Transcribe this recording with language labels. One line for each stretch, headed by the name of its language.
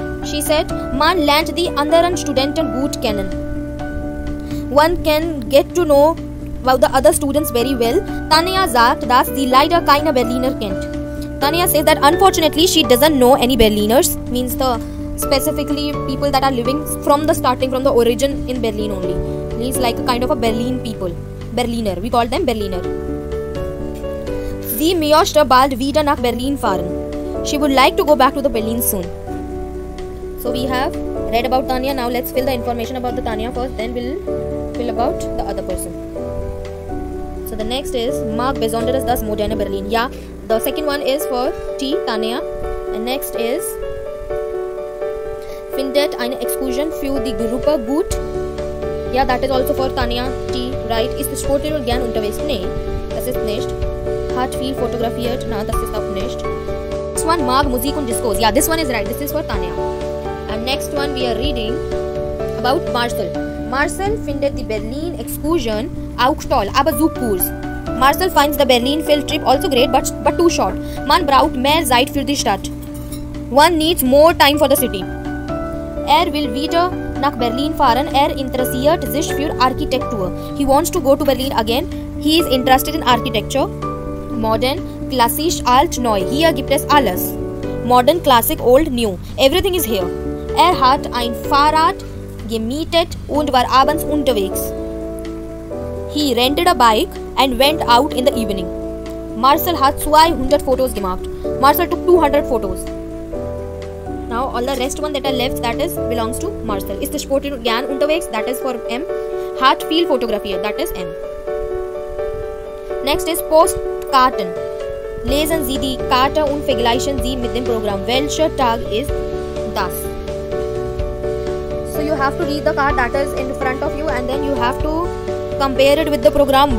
English: She said,
German: man lernt die anderen Studenten gut kennen.
English: One can get to know about the other students very well.
German: Tanja sagt, dass sie leider keine Berliner kennt.
English: Tanya says that unfortunately she doesn't know any Berliners, means the specifically people that are living from the origin in Berlin only. Means like a kind of a Berlin people. Berliner. We call them Berliner.
German: Sie möchte bald wieder nach Berlin fahren.
English: She would like to go back to the Berlin soon. So we have read about Tanya. Now let's fill the information about the Tanya first, then we'll fill about the other person. So the next is Mark Besonder is thus Moderna Berlin. Yeah, the second one is for T, Tanya. And next is
German: Findet eine Exkursion für die Gruppe gut.
English: Yeah, that is also for Tanya T, right?
German: Ist Sportler gern unterwegs? Nein, das ist nicht. Hat viel fotografiert? Na, das ist auch nicht.
English: This one, Mark Musik und Discos. Yeah, this one is right. This is for Tanya. And next one, we are reading about Marcel.
German: Marcel findet die Berlin Exkursion auch toll, aber so kurz.
English: Marcel finds the Berlin field trip also great, but too short.
German: Man braucht mehr Zeit für die Stadt.
English: One needs more time for the city.
German: Will wieder nach Berlin fahren. Interessiert sich für Architektur.
English: He wants to go to Berlin again. He is interested in architecture.
German: Modern, klassisch, alt, neu. Hier gibt es alles.
English: Modern, classic, old, new. Everything is here.
German: Hat ein Fahrrad gemietet und war abends unterwegs.
English: He rented a bike and went out in the evening.
German: Marcel hat 200 Fotos gemacht.
English: Marcel took 200 Fotos. Now all the rest one that are left, that is, belongs to Marcel.
German: Ist Sport gern unterwegs?
English: That is for M.
German: Hat viel fotografiert?
English: That is M. Next is Postkarten.
German: Lesen Sie die Karte und vergleichen Sie mit dem Programm. Welcher Tag ist das?
English: So you have to read the card that is in front of you and then you have to compare it with the program.